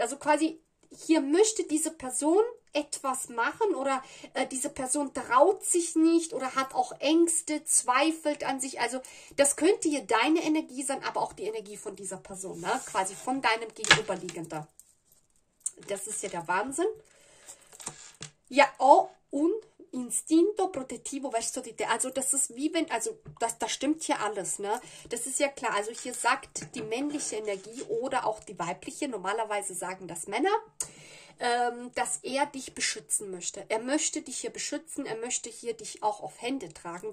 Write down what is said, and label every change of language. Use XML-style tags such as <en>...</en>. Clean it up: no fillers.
<de>Also quasi, hier möchte diese Person etwas machen oder diese Person traut sich nicht oder hat auch Ängste, zweifelt an sich. Also das könnte hier deine Energie sein, aber auch die Energie von dieser Person, ne? Quasi von deinem Gegenüberliegender. Das ist ja der Wahnsinn.</de> <it>Ja, oh, un instinto protettivo verso di te.</it> <de>Also das ist wie wenn, also das stimmt hier alles, ne? Das ist ja klar. Also hier sagt die männliche Energie oder auch die weibliche, normalerweise sagen das Männer, dass er dich beschützen möchte. Er möchte dich hier beschützen, er möchte hier dich auch auf Hände tragen.</de>